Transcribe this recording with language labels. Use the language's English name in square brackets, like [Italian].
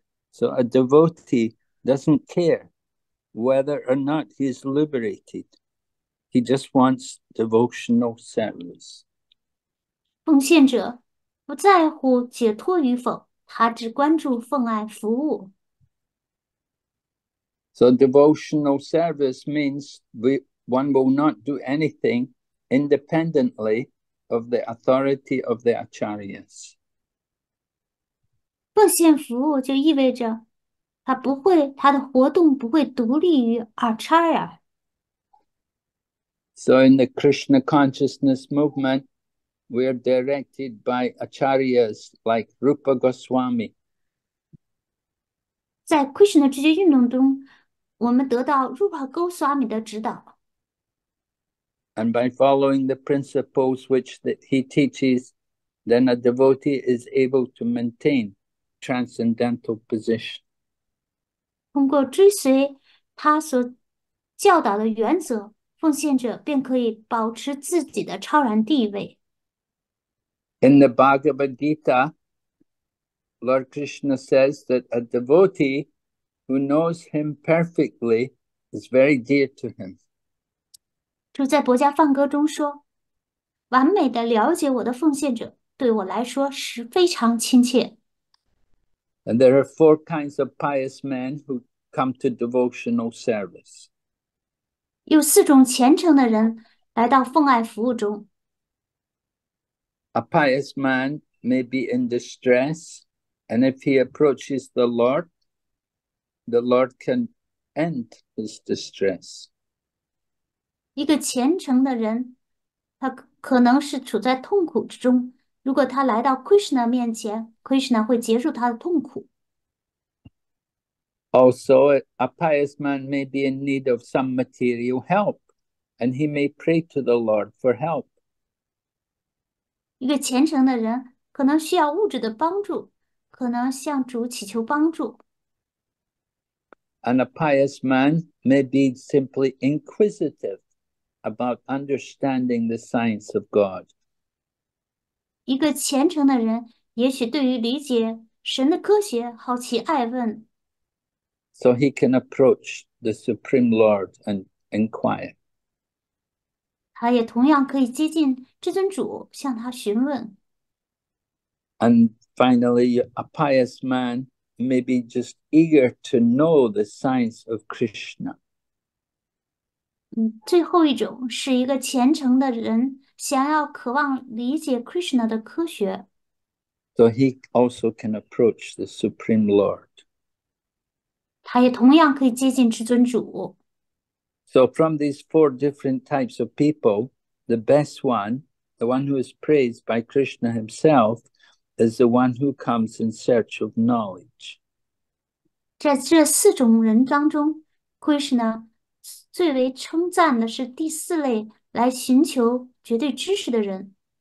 [English] So a devotee doesn't care whether or not he is liberated. He just wants devotional service. [Chinese] 奉献者不在乎解脱与否，他只关注奉爱服务。 [English] So devotional service means one will not do anything independently of the authority of the acharyas. [Chinese] 奉献服务就意味着他的活动不会独立于 Acharya。 [English] So in the Krishna consciousness movement, we are directed by acharyas like Rupa Goswami. [Chinese] 在 Krishna 这些运动中，我们得到 Rupa Goswami 的指导。 [English] And by following the principles which he teaches, then a devotee is able to maintain transcendental position. [Chinese] 通过追随他所教导的原则，奉献者便可以保持自己的超然地位。 [English] In the Bhagavad Gita, Lord Krishna says that a devotee who knows him perfectly is very dear to him. [Chinese] 就在《薄伽梵歌》中说："完美的了解我的奉献者，对我来说是非常亲切。 [English] And there are four kinds of pious men who come to devotional service. [Chinese] ”有四种虔诚的人来到奉爱服务中。 [English] A pious man may be in distress, and if he approaches the Lord can end his distress. [Chinese] 一个虔诚的人，他可能是处在痛苦之中。如果他来到 Krishna 面前，Krishna 会结束他的痛苦。 [English] Also, a pious man may be in need of some material help, and he may pray to the Lord for help. [Chinese] 一个虔诚的人可能需要物质的帮助，可能向主祈求帮助。 [English] And a pious man may be simply inquisitive about understanding the science of God. [Chinese] 一个虔诚的人，也许对于理解神的科学好奇爱问。 [English] So he can approach the Supreme Lord and inquire. [Chinese] 他也同样可以接近至尊主，向他询问。 [English] And finally, a pious man may be just eager to know the science of Krishna. [Chinese] 最后一种是一个虔诚的人，想要渴望理解 Krishna 的科学。 [English] So he also can approach the Supreme Lord. [Chinese] 他也同样可以接近至尊主。 [English] So from these four different types of people, the best one, the one who is praised by Krishna himself, is the one who comes in search of knowledge. [Chinese] 在这四种人当中，Krishna 最为称赞的是第四类来寻求绝对知识的人。